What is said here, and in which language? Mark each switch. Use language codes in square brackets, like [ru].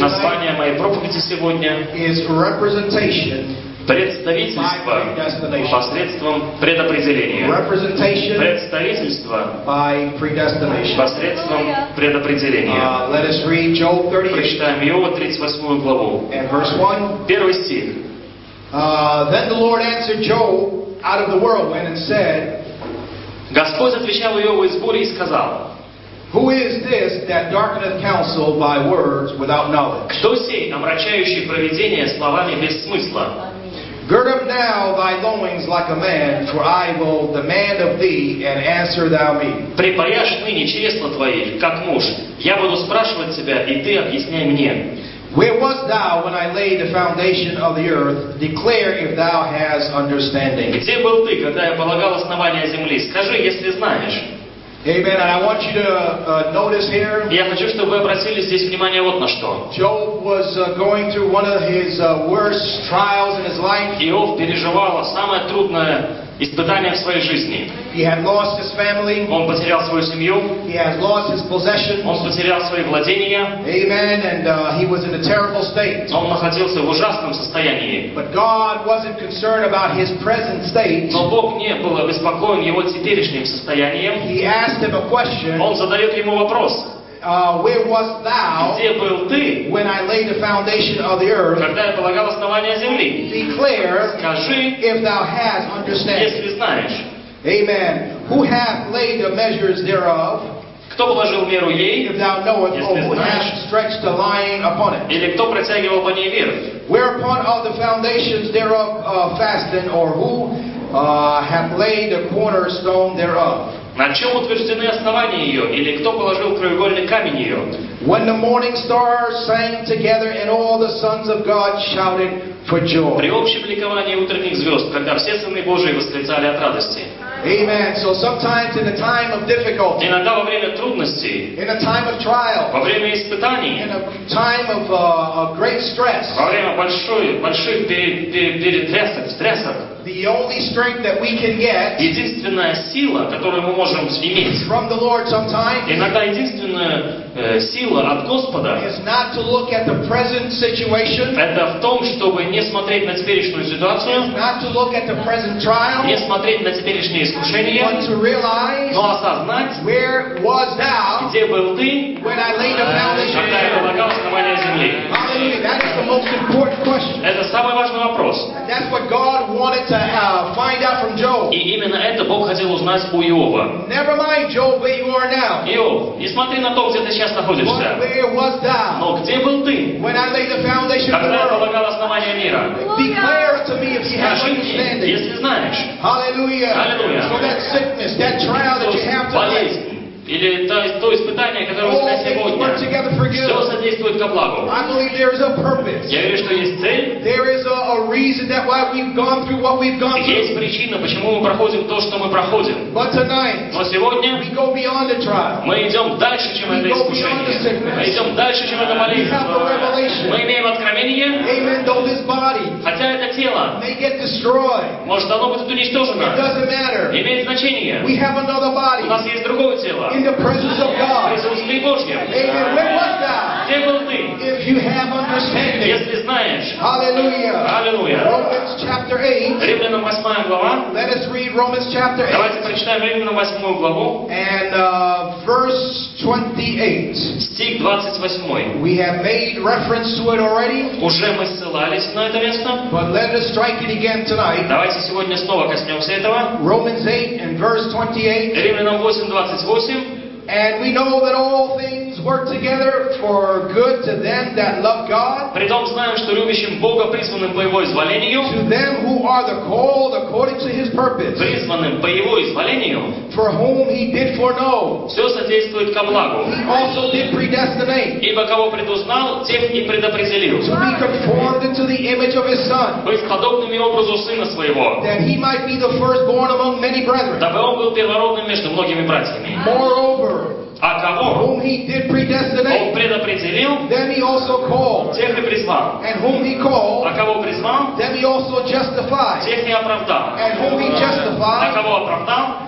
[ru] название моей проповеди сегодня [en] is representation. [ru] представительство посредством предопределения. Представительство посредством предопределения. Прочитаем Иова 38 главу. Первый стих. [en] Then the Lord answered Job out of the whirlwind and said, [ru] Господь отвечал Иову из бури и сказал, [en] Who is this that darkeneth counsel by words without knowledge? [ru] Кто сей, омрачающий провидение словами без смысла? [en] Gird up now thy loins like a man, for I will demand of thee and answer thou me. [ru] Припояшь ныне чресла твои, как муж. Я буду спрашивать тебя, и ты объясняй мне. [en] Where wast thou when I laid the foundation of the earth? Declare if thou hast understanding. [ru] Где был ты, когда я полагал основание земли? Скажи, если знаешь. [en] Amen. And I want you to notice here. [ru] Я хочу, чтобы вы обратили здесь внимание вот на что. [en] Job was going through one of his worst trials in his life. [ru] Иов переживал самое трудное испытание в своей жизни. [en] He had lost his family. [ru] Он потерял свою семью. [en] He had lost his possessions. [ru] Он потерял свои владения. [en] Amen. And he was in a terrible state. [ru] Он находился в ужасном состоянии. [en] But God wasn't concerned about his present state. [ru] Но Бог не был обеспокоен его теперешним состоянием. [en] He asked him a question. [ru] Он задает ему вопрос. [en] Where wast thou when I laid the foundation of the earth? [ru] Когда я полагал основание земли. [en] Declare, [ru] скажи, [en] if thou hast understanding. [ru] Если знаешь. [en] Amen. Who hath laid the measures thereof? [ru] Кто положил меру ей? [en] If thou knowest, [ru] если [en] who hath stretched the line upon it? [ru] Или кто протягивал по ней верх? [en] Whereupon are the foundations thereof fastened, or who hath laid the cornerstone thereof? [ru] На чем утверждены основания ее, или кто положил краеугольный камень ее? [en] When the morning stars sang together and all the sons of God shouted for joy. [ru] При общем ликовании утренних звезд, когда все сыны Божии восклицали от радости. [en] Amen. So sometimes in a time of difficulty. [ru] Иногда во время трудностей. [en] In a time of trial. [ru] Во время испытаний. [en] In a time of great stress. [ru] Во время больших перетрясок. [en] The only strength that we can get. [ru] Единственная сила, которую мы можем иметь. [en] From the Lord sometimes. [ru] Иногда единственная сила от Господа. [en] Is not to look at the present situation. [ru] Это в том, чтобы не смотреть на теперешнюю ситуацию. [en] Not to look at the present trial. [ru] Не смотреть на теперешние искушения. [en] But to realize. [ru] Но осознать. [en] Where was thou? [ru] Где был ты? [en] When I laid the foundation. [ru] Когда я полагал основание земли. [en] Hallelujah. That is the most important question. [ru] Это самый важный вопрос. [en] That's what God wanted. [ru] И именно это Бог хотел узнать у Иова. [en] Never mind, Job, where you are now. [ru] Иов, не смотри на то, где ты сейчас находишься. Но где был ты? [en] When I laid the foundation of the world. [ru] Когда я полагал основание мира. [en] Declare to me if you have understanding. [ru] Если знаешь. Hallelujah. Hallelujah. [en] For that sickness, that trial that you have to face. [ru] Или то испытание, которое у тебя сегодня. Все содействует ко благу. Я верю, что есть цель. Есть причина, почему мы проходим то, что мы проходим. Но сегодня мы идем дальше, чем это искушение. Мы идем дальше, чем это молитва. Мы имеем откровение. Хотя это тело может оно быть уничтожено. Не имеет значения. У нас есть другое тело. [en] In the presence of God. Amen. Where was thou? If you have understanding. [ru] Если знаешь. Hallelujah. Hallelujah. [en] Romans chapter 8. [ru] Римлянам 8 глава. [en] Let us read Romans chapter 8. [ru] Давайте прочитаем Римлянам 8 главу. [en] And verse 28. [ru] Стих 28. [en] We have made reference to it already. [ru] Уже мы ссылались на это место. [en] But let us strike it again tonight. [ru] Давайте сегодня снова коснемся этого. [en] Romans 8 and verse 28. [ru] Римлянам 8, 28. [en] And we know that all things work together for good to them that love God. [ru] Притом знаем, что любящим Бога призванным по Его изволению. [en] To them who are the called according to His purpose. [ru] Призванным по Его изволению. [en] For whom He did foreknow. [ru] Все содействует ко благу. [en] He also did predestinate. [ru] Ибо кого предузнал, тех и предопределил. [en] To be conformed into the image of His Son. [ru] Быть подобными образу Сына Своего. [en] That He might be the firstborn among many brethren. [ru] Дабы Он был первородным между многими братьями. [en] Moreover. [ru] А кого? [en] Whom he did predestinate, [ru] он предопределил, [en] then he also called, [ru] тех и призвал. [en] And whom he called, [ru] а кого призвал, [en] then he also justified, [ru] тех и оправдал. [en] And whom he justified, [ru] а кого оправдал,